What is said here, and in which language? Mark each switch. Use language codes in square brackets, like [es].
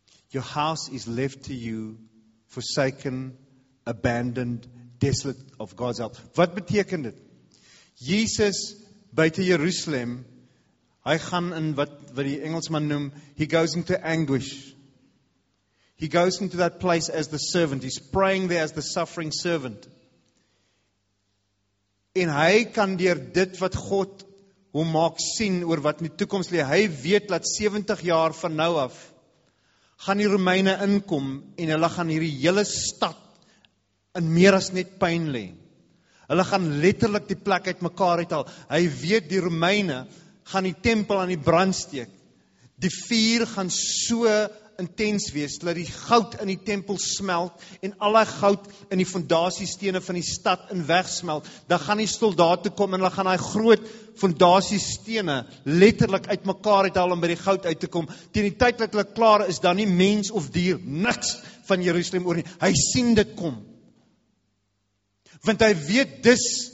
[en] Your house is left to you forsaken, abandoned, desolate of God's help. [af] Wat beteken dit? Jesus buite Jerusalem, hy gaan in wat die Engelsman noem, [en] he goes into anguish. He goes into that place as the servant. He's praying there as the suffering servant. [af] En hy kan deur dit wat God hom maak sien oor wat in die toekoms lê. Hy weet dat 70 jaar van nou af gaan die Romeine inkom en hulle gaan hierdie hele stad in meer as net pyn lê. Hulle gaan letterlik die plek uit mekaar uithaal. Hy weet die Romeine gaan die tempel aan die brand steek. Die vuur gaan so intens wees, dat die goud in die tempel smelt, en alle goud in die fondasiestene van die stad in wegsmelt, dan gaan die soldate kom, en hulle gaan die groot fondasiestene, letterlik uit mekaar uithaal, om by die goud uit te kom, teen die tyd dat hulle klaar is, dan nie mens of dier, niks van Jerusalem oor nie, hy sien dit kom, want hy weet dis,